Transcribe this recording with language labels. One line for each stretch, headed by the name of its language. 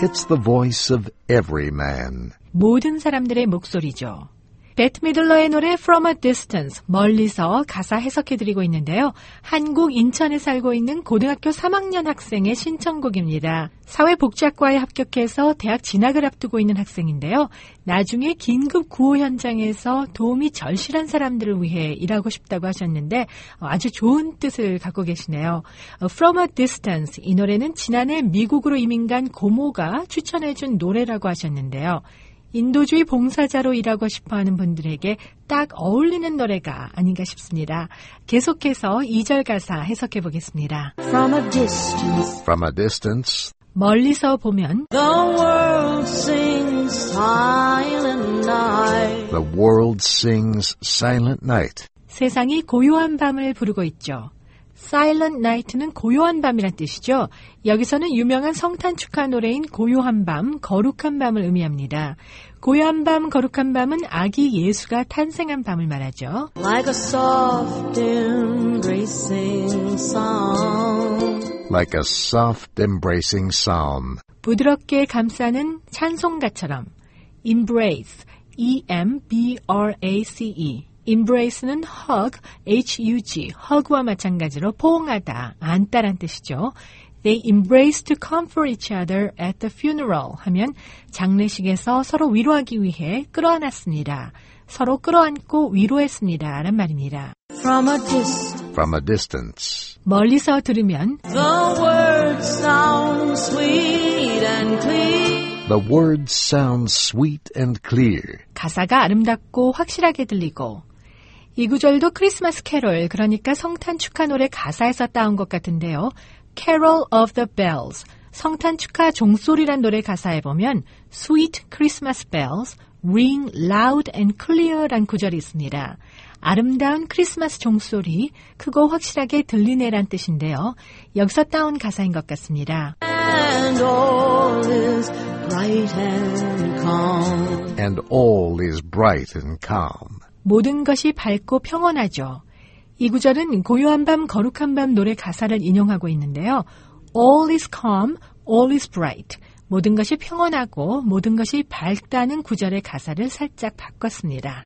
English: It's the voice of every man.
Korean: 모든 사람들의 목소리죠. 베트 미들러의 노래 From a Distance, 멀리서 가사 해석해드리고 있는데요. 한국 인천에 살고 있는 고등학교 3학년 학생의 신청곡입니다. 사회복지학과에 합격해서 대학 진학을 앞두고 있는 학생인데요. 나중에 긴급 구호 현장에서 도움이 절실한 사람들을 위해 일하고 싶다고 하셨는데 아주 좋은 뜻을 갖고 계시네요. From a Distance, 이 노래는 지난해 미국으로 이민 간 고모가 추천해준 노래라고 하셨는데요. 인도주의 봉사자로 일하고 싶어하는 분들에게 딱 어울리는 노래가 아닌가 싶습니다. 계속해서 2절 가사 해석해 보겠습니다.
English: From a distance. From a distance.
Korean: 멀리서 보면
English: The world sings silent night. The world sings silent night.
Korean: 세상이 고요한 밤을 부르고 있죠. Silent Night는 고요한 밤이란 뜻이죠. 여기서는 유명한 성탄 축하 노래인 고요한 밤, 거룩한 밤을 의미합니다. 고요한 밤, 거룩한 밤은 아기 예수가 탄생한 밤을 말하죠.
English: Like a soft embracing song. like a soft embracing psalm.
Korean: 부드럽게 감싸는 찬송가처럼.
English: Embrace, E-M-B-R-A-C-E.
Korean: Embrace는 hug, H-U-G, hug와 마찬가지로 포옹하다, 안다란 뜻이죠.
English: They embrace to comfort each other at the funeral
Korean: 하면 장례식에서 서로 위로하기 위해 끌어안았습니다. 서로 끌어안고 위로했습니다. 라는 말입니다.
English: From a distance.
Korean: 멀리서 들으면
English: The words sound sweet and clear. The words sound sweet and clear.
Korean: 가사가 아름답고 확실하게 들리고 이 구절도 크리스마스 캐롤, 그러니까 성탄 축하 노래 가사에서 따온 것 같은데요. Carol of the Bells, 성탄 축하 종소리란 노래 가사에 보면
English: Sweet Christmas Bells ring loud and clear
Korean: 란 구절이 있습니다. 아름다운 크리스마스 종소리, 크고 확실하게 들리네란 뜻인데요. 여기서 따온 가사인 것 같습니다.
English: And all is bright and calm. And all is bright and calm.
Korean: 모든 것이 밝고 평온하죠. 이 구절은 고요한 밤, 거룩한 밤 노래 가사를 인용하고 있는데요.
English: All is calm, all is bright.
Korean: 모든 것이 평온하고 모든 것이 밝다는 구절의 가사를 살짝 바꿨습니다.